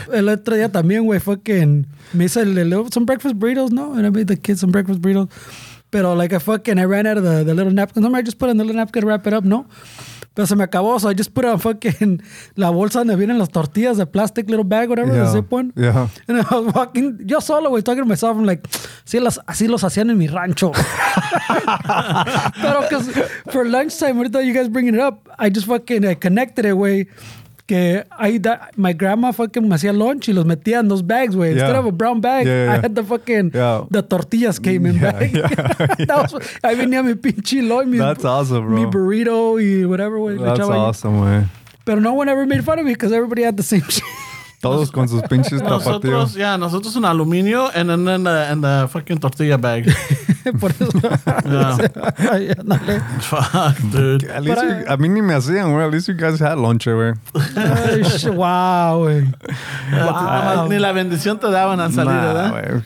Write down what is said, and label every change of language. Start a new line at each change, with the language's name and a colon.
Spanish: El otro día también, wey, fucking me hice
English: some breakfast burritos,
Spanish: no?
English: And I made the kids some breakfast burritos. But like I ran out of the little napkin. Somebody just put in the little napkin to wrap it up, no? But
Spanish: se me acabó,
English: so I just put a fucking
Spanish: la bolsa donde vienen las tortillas,
English: the plastic little bag, whatever, the zip one. Yeah. And I was walking,
Spanish: yo solo,
English: we're talking to myself. I'm like,
Spanish: así los hacían en mi rancho.
English: Pero because for lunchtime, ahorita you guys bringing it up, I just fucking connected it, way. My grandma fucking hacía lunch
Spanish: y los metía en
English: those bags, güey. Instead of a brown bag, I had the fucking the tortillas came in bag.
Spanish: I venía mi pinche lunch.
English: That's awesome, bro.
Spanish: Mi burrito y whatever, güey.
English: That's awesome, güey. Pero no one ever made fun of me because everybody had the same shit.
Spanish: Todos con sus pinches tapatíos.
English: Yeah,
Spanish: nosotros en aluminio
English: and then in the fucking tortilla bag.
Spanish: Por eso.
English: Yeah. Fuck, dude. At least you, I mean,
Spanish: ni me hacían, güey.
English: At least you guys had lunch, güey. Wow, güey.
Spanish: Ni la bendición te daban al salir, ¿verdad?